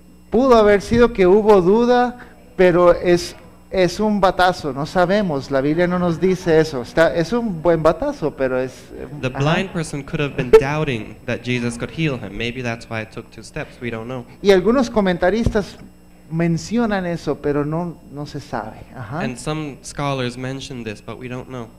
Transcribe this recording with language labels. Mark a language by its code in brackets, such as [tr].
[es] Pudo haber sido que hubo duda, pero es un batazo, no sabemos, la Biblia no nos dice eso. Es un buen batazo, pero es... [en] The blind person could have been doubting that Jesus could heal him. Maybe that's why it took two steps, we don't know. [es] Y algunos comentaristas mencionan eso, pero no se sabe. Ajá. [en] And some scholars mention this, but we don't know.